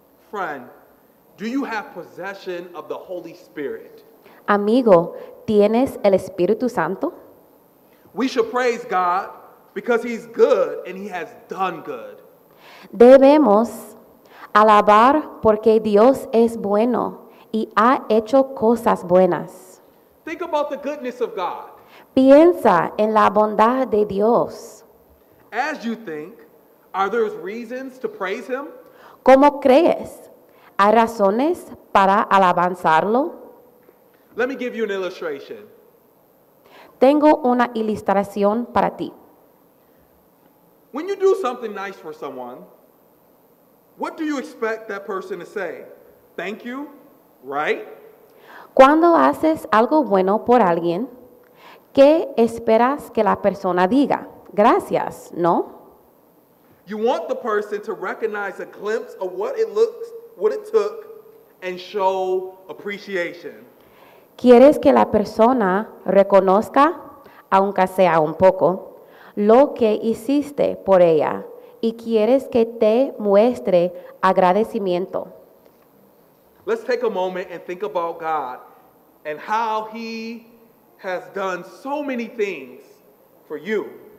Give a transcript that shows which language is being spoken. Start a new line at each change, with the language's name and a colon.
English: Friend, do you have possession of the Holy Spirit?
Spanish: Amigo, ¿tienes el Espíritu Santo?
English: We should praise God because He's good and He has done good.
Spanish: Debemos alabar porque Dios es bueno y ha hecho cosas buenas.
English: Think about the goodness of God.
Spanish: Piensa en la bondad de Dios.
English: As you think, are there reasons to praise Him?
Spanish: ¿Cómo crees? ¿Hay razones para alabanzarlo?
English: Let me give you an illustration.
Spanish: Tengo una ilustración para ti.
English: When you do something nice for someone, what do you expect that person to say? Thank you, right?
Spanish: Cuando haces algo bueno por alguien, ¿qué esperas que la persona diga? Gracias, ¿no?
English: You want the person to recognize a glimpse of what it looks, what it took, and show appreciation.
Spanish: ¿Quieres que la persona reconozca, aunque sea un poco, lo que hiciste por ella? Y quieres que te muestre agradecimiento.
English: Let's take a moment and think about God and how He has done so many things for you.